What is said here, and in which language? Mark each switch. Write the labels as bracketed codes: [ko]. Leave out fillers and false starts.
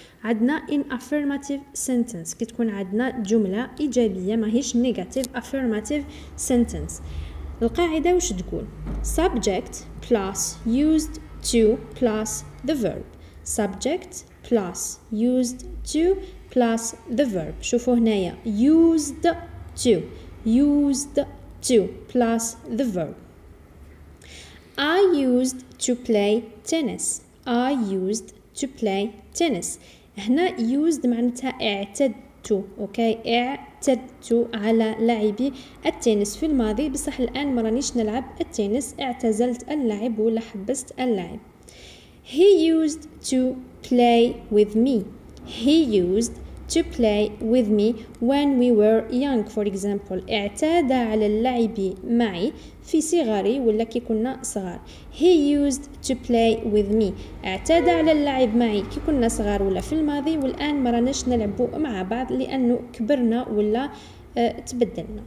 [ar] عندنا [en] in affirmative sentence [ar] كي تكون عندنا جمله ايجابيه ماهيش [en] negative affirmative sentence. [ar] القاعده وش تقول؟ [en] subject plus used to plus the verb. subject plus used to plus the verb. [ar] شوفوا هنايا [en] used to, used to plus the verb. I used to play tennis. I used to play tennis. [ar] هنا used معناتها اعتدت. اوكي اعتدت على لعبي التنس في الماضي بصح الان ما رانيش نلعب التنس. اعتزلت اللعب ولا حبست اللعب. [en] He used to play with me. He used to play with me when we were young. For example, [ar] اعتاد على اللعب معي في صغري ولا كي كنا صغار. [en] He used to play with me. [ar] اعتاد على اللعب معي كي كنا صغار ولا في الماضي والان ما راناش نلعبوا مع بعض لانه كبرنا ولا تبدلنا.